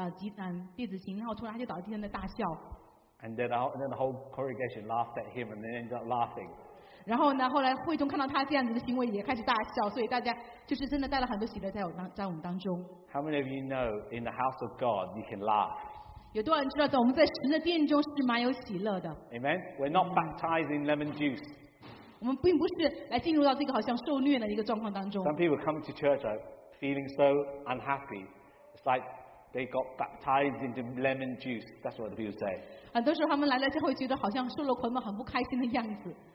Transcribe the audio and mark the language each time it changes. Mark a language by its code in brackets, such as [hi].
[zh] 大家有没有记得上一次他来到我们当中的时候，他突然就是在弹电子琴，然后突然他就倒在地上在大笑。 [en] And then the whole congregation laughed at him and then ended up laughing. [zh] 然后呢，后来会众看到他这样子的行为也开始大笑，所以大家就是真的带了很多喜乐在我们当中。 [en] How many of you know in the house of God you can laugh? [zh] 有多少人知道在我们在神的殿中是蛮有喜乐的？ [en] Amen. We're not baptized in lemon juice. [zh] 我们并不是来进入到这个好像受虐的一个状况当中。 [en] Some people come to church feeling so unhappy. It's like they got baptized into lemon juice. That's what the people say. [zh] 很多时候他们来了就会觉得好像受了捆绑，很不开心的样子。